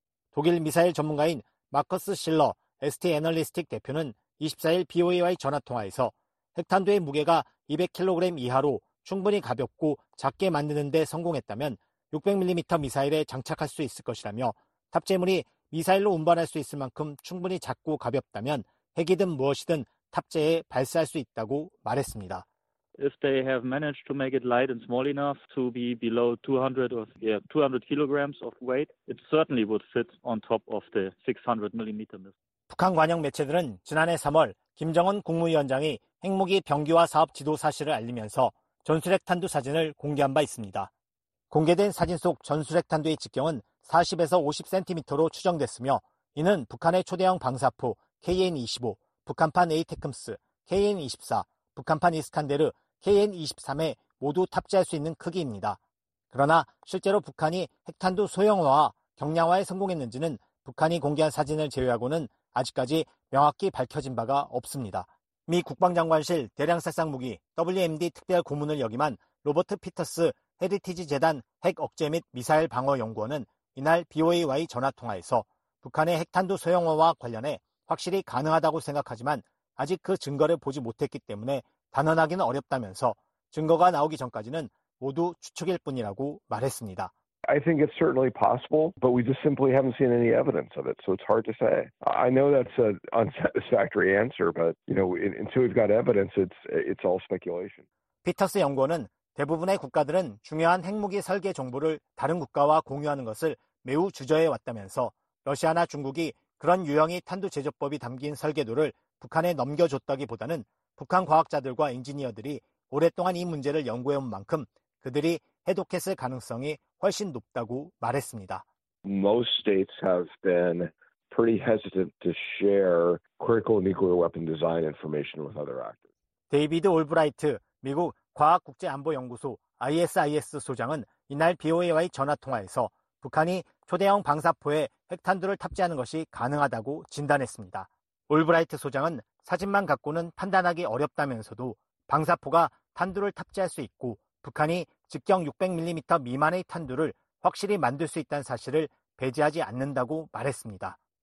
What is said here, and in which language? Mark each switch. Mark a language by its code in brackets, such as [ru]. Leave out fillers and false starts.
[ko] 독일 미사일 전문가인 마커스 실러 ST 애널리스틱 대표는 24일 BOA와의 전화통화에서 핵탄두의 무게가 200kg 이하로 충분히 가볍고 작게 만드는 데 성공했다면 600mm 미사일에 장착할 수 있을 것이라며 탑재물이 미사일로 운반할 수 있을 만큼 충분히 작고 가볍다면 핵이든 무엇이든 탑재해 발사할 수 있다고 말했습니다. [en] If they have managed to make it light and small enough to be below 200 kilograms of weight, it certainly would fit on top of the 600mm. [ko] 북한 관영 매체들은 지난해 3월 김정은 국무위원장이 핵무기 병기화 사업 지도 사실을 알리면서 전술핵 탄두 사진을 공개한 바 있습니다. 공개된 사진 속 전술핵 탄두의 직경은 40에서 50cm로 추정됐으며 이는 북한의 초대형 방사포 KN-25, 북한판 에이테큼스, KN-24, 북한판 이스칸데르, KN-23에 모두 탑재할 수 있는 크기입니다. 그러나 실제로 북한이 핵탄두 소형화와 경량화에 성공했는지는 북한이 공개한 사진을 제외하고는 아직까지 명확히 밝혀진 바가 없습니다. 미 국방장관실 대량살상무기 WMD 특별 고문을 역임한 로버트 피터스 헤리티지 재단 핵 억제 및 미사일 방어 연구원은 이날 BOA와의 전화 통화에서 북한의 핵탄두 소형화와 관련해 확실히 가능하다고 생각하지만 아직 그 증거를 보지 못했기 때문에 단언하기는 어렵다면서 증거가 나오기 전까지는 모두 추측일 뿐이라고 말했습니다. [en] I think it's certainly possible, but we just simply haven't seen any evidence of it, so it's hard to say. I know that's an unsatisfactory answer, but you know, until we've got evidence, it's all speculation. [ko] 피터스 연구원은 대부분의 국가들은 중요한 핵무기 설계 정보를 다른 국가와 공유하는 것을 매우 주저해 왔다면서 러시아나 중국이 그런 유형의 탄두 제조법이 담긴 설계도를 북한에 넘겨줬다기보다는 북한 과학자들과 엔지니어들이 오랫동안 이 문제를 연구해 온 만큼 그들이 해독했을 가능성이 훨씬 높다고 말했습니다. [en] Most states have been pretty hesitant to share critical nuclear weapon design information with other actors. [ko] 데이비드 올브라이트 미국 과학국제안보연구소 ISIS 소장은 이날 BOA와의 전화 통화에서 북한이 초대형 방사포에 핵탄두를 탑재하는 것이 가능하다고 진단했습니다. 올브라이트 소장은 사진만 갖고는 판단하기 어렵다면서도 방사포가 탄두를 탑재할 수 있고 북한이 직경 600mm 미만의 탄두를 확실히 만들 수 있다는 사실을 배제하지 않는다고 말했습니다.